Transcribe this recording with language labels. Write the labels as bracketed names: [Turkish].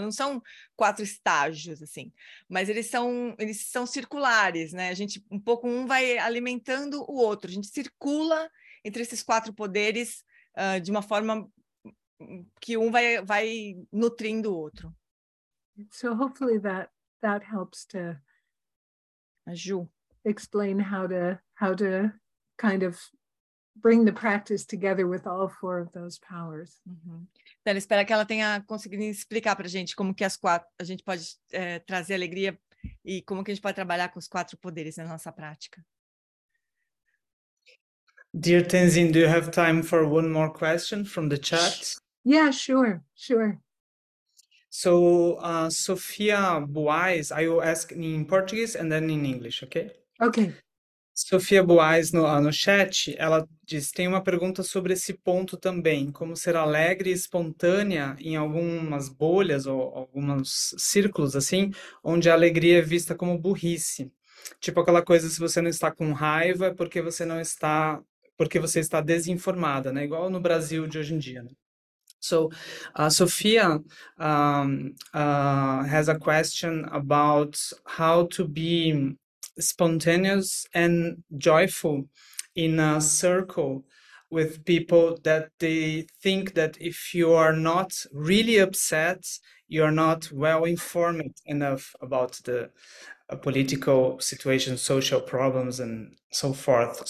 [Portuguese] Não são quatro estágios, assim, mas eles são circulares, né? A gente, um pouco, um vai alimentando o outro, a gente circula entre esses quatro poderes de uma forma que um vai nutrindo o outro. [English] So hopefully that helps to... Aju. Explain how to kind of bring the practice together with all four of those powers. Uhum. [Portuguese] Então, espero que ela tenha conseguido explicar para a gente como que as quatro, a gente pode trazer alegria e como que a gente pode trabalhar com os quatro poderes na nossa prática. [English] Dear Tenzin, do you have time for one more question from the chat? Yeah, sure. So, Sofia Boaz, I will ask in Portuguese and then in English, okay? Okay. [Portuguese] Sofia Boaz, no chat, ela diz, tem uma pergunta sobre esse ponto também, como ser alegre e espontânea em algumas bolhas ou alguns círculos, assim, onde a alegria é vista como burrice. Tipo aquela coisa, se você não está com raiva, é porque você não está, porque você está desinformada, né? Igual no Brasil de hoje em dia, né? [English] So, Sofia has a question about how to be spontaneous and joyful in a circle with people that they think that if you are not really upset, you are not well informed enough about the political situation, social problems, and so forth.